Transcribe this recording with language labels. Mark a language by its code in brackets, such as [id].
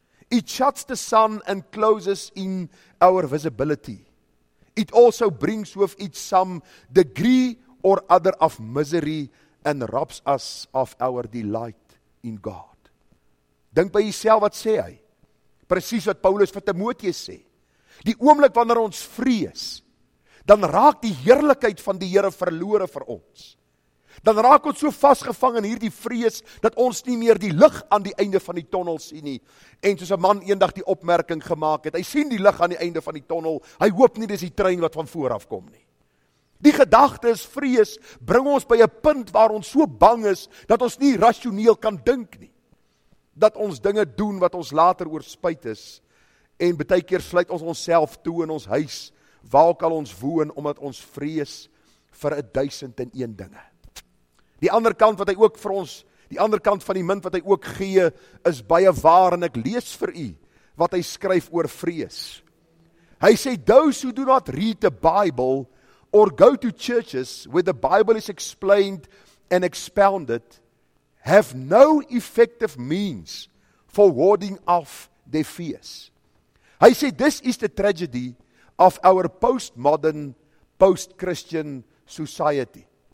[en] It shuts the sun and closes in our visibility. It also brings with it some degree or other of misery and robs us of our delight in God. [af] Dink by jouself, wat sê hy? Presies wat Paulus vir Timoteus sê. Die oomblik wanneer ons vrees, dan raak die heerlikheid van die Here verlore vir ons. Dan raak ons so vasgevang in hierdie vrees, dat ons nie meer die lig aan die einde van die tonnel sien nie. En soos 'n man eendag die opmerking gemaak het, hy sien die lig aan die einde van die tonnel, hy hoop nie dis die trein wat van vooraf kom nie. Die gedagte is, vrees bring ons by 'n punt waar ons so bang is, dat ons nie rationeel kan dink nie. Dat ons dinge doen wat ons later oor spyt is, en baie keer sluit ons onsself toe in ons huis, waar kan ons woon, omdat ons vrees vir 1001 dinge. Die ander kant wat hy ook vir ons, die ander kant van die munt wat hy ook gee, is baie waar, en ek lees vir u wat hy skryf oor vrees. Hy sê, [en] those who do not read the Bible or go to churches where the Bible is explained and expounded have no effective means for warding off their fears. [af] Hy sê, [en] this is the tragedy of our postmodern, post-Christian society.